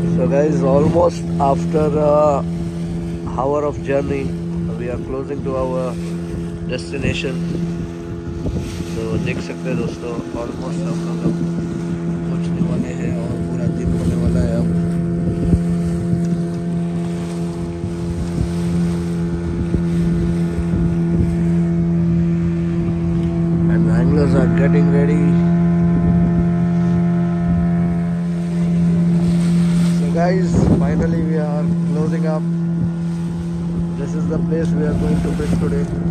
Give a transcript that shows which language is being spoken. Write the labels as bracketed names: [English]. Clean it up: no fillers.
[English] Guys, almost after hour of journey, we are closing to our destination. [Hindi] So, देख सकते हैं दोस्तों, almost हम लोग पहुंचने वाले हैं और पूरा दिन होने वाला है अब। [English] And anglers are getting ready. Guys, finally we are closing up. This is the place we are going to fish today.